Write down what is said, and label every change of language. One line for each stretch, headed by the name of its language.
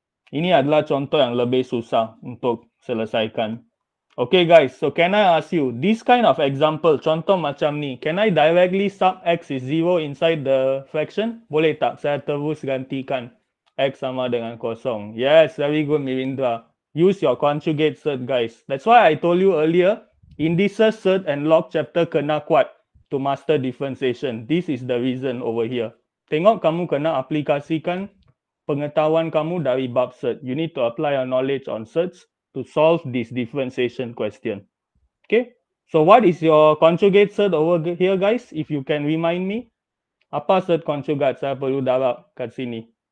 Malay: Ini adalah contoh yang lebih susah untuk selesaikan.
English: Okay, guys. So, can I ask you, this kind of example,
Malay: contoh macam ni,
English: can I directly sub x is 0 inside the fraction?
Malay: Boleh tak? Saya terus gantikan x sama dengan kosong.
English: Yes, very good, Mirindra. Use your conjugate cert, guys. That's why I told you earlier, indices, cert and log chapter
Malay: kena kuat
English: to master differentiation. This is the reason over here.
Malay: Tengok kamu kena aplikasikan pengetahuan kamu dari bab cert.
English: You need to apply your knowledge on certs to solve this differentiation question. Okay? So what is your conjugate cert over here, guys? If you can remind me.
Malay: Apa cert conjugate? Saya perlu darab kat sini.